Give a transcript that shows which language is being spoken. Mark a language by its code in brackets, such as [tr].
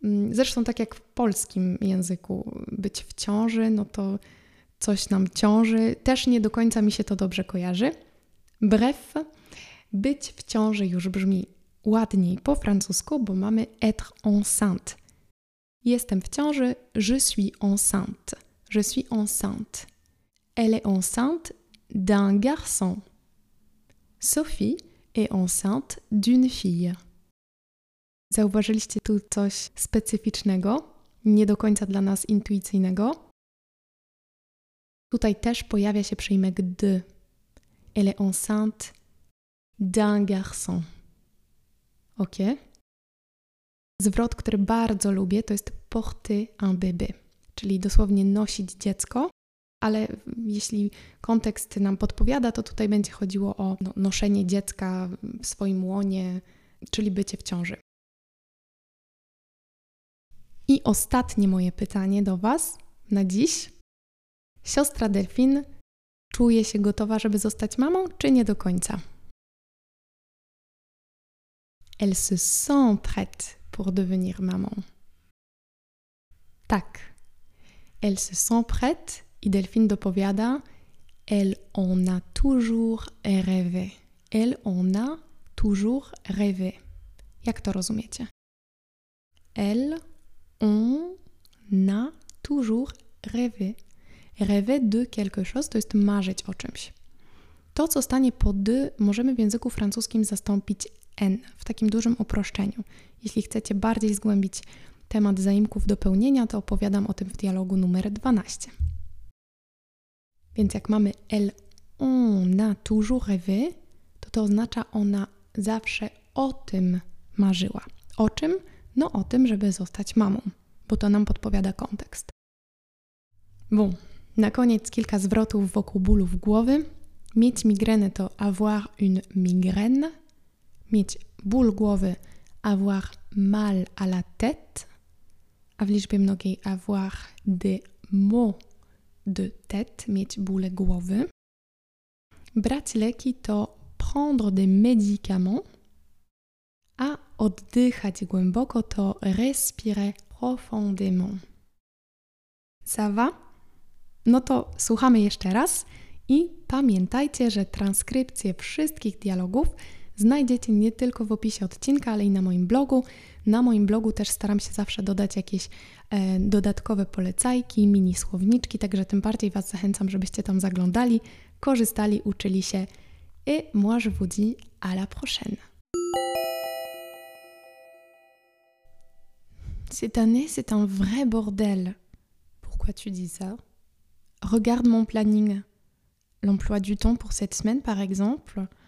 [pl] Zresztą tak jak w polskim języku, być w ciąży, no to coś nam ciąży. Też nie do końca mi się to dobrze kojarzy. Bref, być w ciąży już brzmi ładniej po francusku, bo mamy [fr] être enceinte. [pl] Jestem w ciąży, [fr] je suis enceinte. Je suis enceinte. Elle est enceinte d'un garçon. Sophie est enceinte d'une fille. [pl] Zauważyliście tu coś specyficznego, nie do końca dla nas intuicyjnego? Tutaj też pojawia się przyimek de. [fr] Elle est enceinte d'un garçon. Ok? [pl] Zwrot, który bardzo lubię, to jest [fr] porter un bébé, [pl] czyli dosłownie nosić dziecko, ale jeśli kontekst nam podpowiada, to tutaj będzie chodziło o noszenie dziecka w swoim łonie, czyli bycie w ciąży. I ostatnie moje pytanie do Was na dziś. Siostra Delphine czuje się gotowa, żeby zostać mamą, czy nie do końca? [fr] Elle se sent prête pour devenir maman. [pl] Tak. [fr] Elle se sent prête, [pl] i Delphine dopowiada, [fr] elle en a toujours rêvé. Elle en a toujours rêvé. [pl] Jak to rozumiecie? [fr] Elle on a toujours rêvé. Rêvé de quelque chose, [pl] to jest marzyć o czymś. To, co stanie po de, możemy w języku francuskim zastąpić n w takim dużym uproszczeniu. Jeśli chcecie bardziej zgłębić temat zaimków dopełnienia, to opowiadam o tym w dialogu numer 12. Więc jak mamy [fr] elle on a toujours rêvé, [pl] to to oznacza ona zawsze o tym marzyła. O czym? No o tym, żeby zostać mamą, bo to nam podpowiada kontekst. Bon, na koniec kilka zwrotów wokół bólów głowy. Mieć migrenę to avoir une migraine. Mieć ból głowy, [fr] avoir mal à la tête. [pl] A w liczbie mnogiej [fr] avoir des maux de tête, [pl] mieć bóle głowy. Brać leki to [fr] prendre des médicaments. [pl] A oddychać głęboko to [fr] respirer profondément. Ça va? [pl] No to słuchamy jeszcze raz i pamiętajcie, że transkrypcje wszystkich dialogów znajdziecie nie tylko w opisie odcinka, ale i na moim blogu. Na moim blogu też staram się zawsze dodać jakieś dodatkowe polecajki, mini słowniczki, także tym bardziej Was zachęcam, żebyście tam zaglądali, korzystali, uczyli się. [fr] Et moi je vous dis à la prochaine. Cette année, c'est un vrai bordel. Pourquoi tu dis ça? Regarde mon planning. L'emploi du temps pour cette semaine, par exemple.